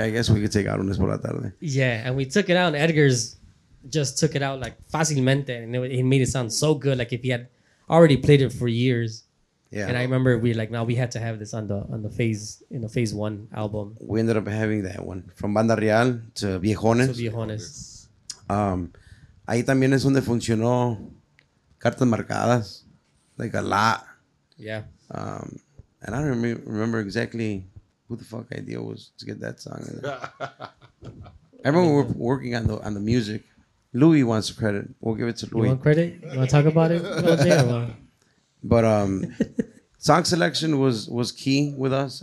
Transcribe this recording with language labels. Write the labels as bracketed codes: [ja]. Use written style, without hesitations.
[en] I guess we could take out Lunes por la Tarde. Yeah, and we took it out. And Edgar's just took it out like fácilmente. And he made it sound so good. Like if he had already played it for years. Yeah. And I remember we like, now we had to have this on the phase, in the phase one album. We ended up having that one from Banda Real to Viejones. [es] Ahí también es donde funcionó Cartas Marcadas, [en] like a lot. Yeah. And I don't remember exactly who the fuck idea was to get that song. Everyone were working on the music. Louis wants credit. We'll give it to Louis. You want credit? You want to talk about it? But song selection was key with us.